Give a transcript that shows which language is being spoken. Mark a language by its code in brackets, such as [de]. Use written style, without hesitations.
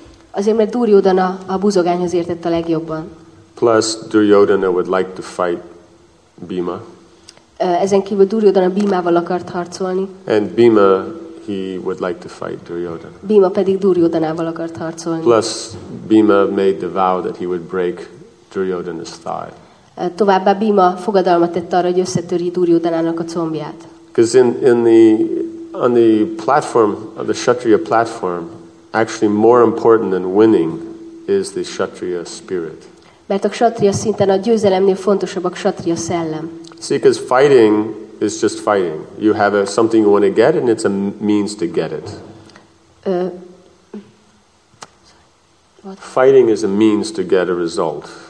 [hu] Azért, mert Duryodhana a buzogányhoz értett a legjobban. [en] Plus, Duryodhana would like to fight Bhima. [hu] Ezen kívül Duryodhana Bhimával akart harcolni. [en] And Bhima, he would like to fight Duryodhana. [hu] Bhima pedig Duryodhanával akart harcolni. [en] Plus, Bhima made the vow that he would break Duryodhana's thigh. [hu] Továbbá Bhima fogadalmat tett arra, hogy összetöri Duryodhanának a combját. [en] Because on the platform, the Kshatriya platform, actually more important than winning is the kshatriya spirit. [hu] Mert a kshatriya szinten a győzelemnél fontosabb a kshatriya szellem. [en] See, because fighting is just fighting. You have something you want to get, and it's a means to get it. Fighting is a means to get a result.